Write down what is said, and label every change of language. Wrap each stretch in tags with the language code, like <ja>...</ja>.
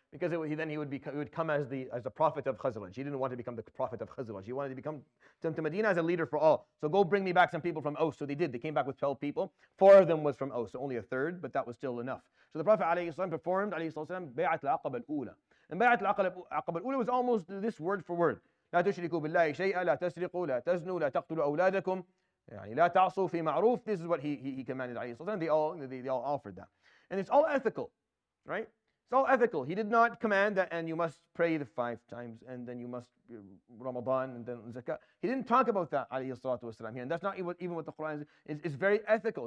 <en>Because he would come as the prophet of Khazraj. He didn't want to become the prophet of Khazraj. He wanted to become to Medina as a leader for all. So go bring me back some people from Aus. So they did. They came back with 12 people. Four of them was from Aus. So only a third, but that was still enough. So the Prophet ﷺ performed Bay'at al-Aqaba al-Ula. And Bay'at al-Aqaba al-Ula was almost this word for word.</en> <ar>لا تشركوا بالله شيئا لا تسرقوا لا تزنوا لا تقتلوا أولادكم يعني لا تعصوا في معروف.</ar> <en>This is what he commanded</en> <ar>عليه الصلاة والسلام.</ar> <en>They all offered that. And it's all ethical, right? It's all ethical. He did not command that, and you must pray the five times, and then you must Ramadan, and then Zakah. He didn't talk about that, alayhi salatu wasalam, here. And that's not even what the Quran is. It's very ethical.</en>